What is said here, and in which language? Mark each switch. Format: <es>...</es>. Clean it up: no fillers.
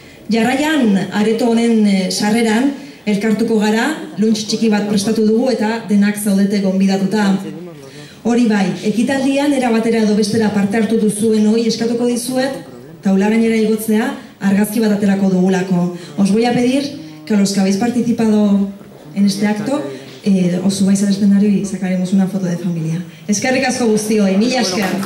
<eu>Jarraian, areto honen sarreran, elkartuko gara, lunch txiki bat prestatu dugu eta denak zaudete gonbidatuta. Hori bai, ekitaldian erabatera edo bestera parte hartu duzuen hoi eskatuko dizuet, taularainera igotzea argazki bat aterako dugulako.</eu> <es>Os voy a pedir que los que habéis participado en este acto, os subáis al escenario y sacaremos una foto de familia.</es> <eu>Eskerrik asko guztioi, mila esker!</eu>